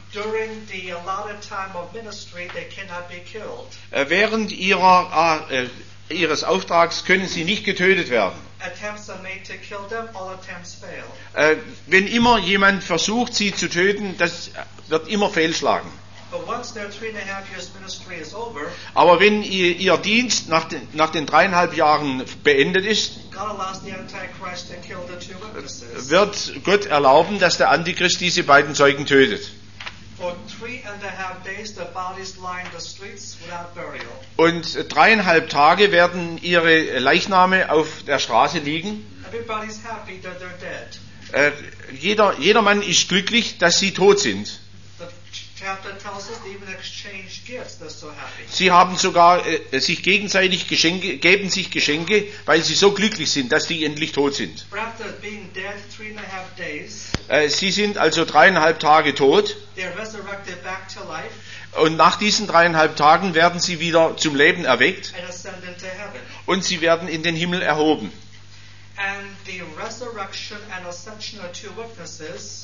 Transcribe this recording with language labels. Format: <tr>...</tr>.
<en>During the allotted time of ministry, they cannot be killed.</en> <de>Während ihres Auftrags können sie nicht getötet werden.</de> <en>Attempts are made to kill them, all attempts fail.</en> <de>Wenn immer jemand versucht, sie zu töten, das wird immer fehlschlagen.</de> <en>But once their 3.5 years ministry is over,</en> <de>aber wenn ihr Dienst nach den 3.5 Jahren beendet ist,</de> <en>God allows the Antichrist to kill the two witnesses.</en> <de>Wird Gott erlauben, dass der Antichrist diese beiden Zeugen tötet.</de> <en>For 3.5 days, the bodies line the streets without burial.</en> <de>Und 3.5 Tage werden ihre Leichname auf der Straße liegen.</de> <en>Everybody's happy that they're dead.</en> <de>Jedermann ist glücklich, dass sie tot sind.</de> <en>The chapter tells us they even exchange gifts, they're so happy.</en> <de>Sie haben sogar sich gegenseitig Geschenke, geben sich Geschenke, weil sie so glücklich sind, dass sie endlich tot sind.</de> <en>After being dead 3.5 days.</en> <de>Sie sind also 3.5 Tage tot.</de> <en>They're resurrected back to life.</en> <de>Und nach diesen 3.5 Tagen werden sie wieder zum Leben erweckt.</de> <en>And ascend into heaven.</en> <de>Und sie werden in den Himmel erhoben.</de> <en>And the resurrection and ascension are two witnesses.</en>